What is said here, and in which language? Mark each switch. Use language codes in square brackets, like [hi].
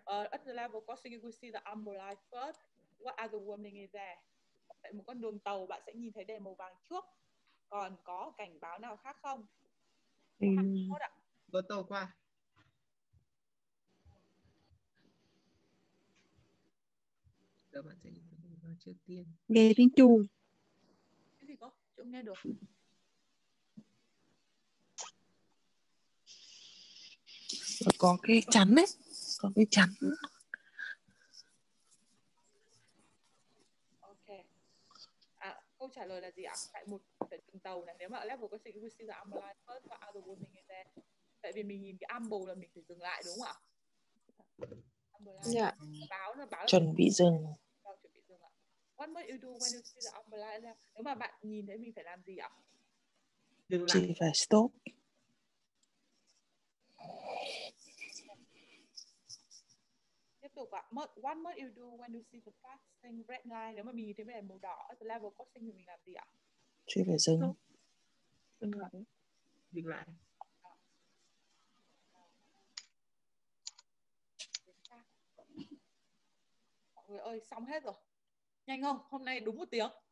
[en] At the level crossing, you will see the amber light first. What are the warning is there? [vi] Tại một con đường tàu bạn sẽ nhìn thấy đèn màu vàng trước. Còn có cảnh báo nào khác không? Vừa tàu qua. Giờ bạn sẽ nhìn thấy nó trước tiên. Nghe tiếng chuông. Cái gì có? Chúng nghe được. Có cái chắn ấy. Có cái chắn. Ok. À, câu trả lời là gì ạ? Tại một cái đường tàu này, nếu mà ở level có sự [en] we see the amber light first, what are the warning is there? [vi] Tại vì mình nhìn cái amber là mình phải dừng lại đúng không ạ? [en] Amber light. Yeah. [vi] Báo chuẩn bị dừng. Báo chuẩn bị dừng ạ. [en] What must you do when you see the amber light? [vi] Nếu mà bạn nhìn thấy mình phải làm gì ạ? Dừng lại. Chỉ phải stop. [en] What must you do when you see the crossing red line? [vi] Nếu mà mình nhìn thấy đèn màu đỏ, [en] at the level crossing [vi] thì mình làm gì ạ? Chỉ phải dừng. Dừng lại. Mọi người ơi, xong hết rồi. Nhanh không? Hôm nay đúng một tiếng.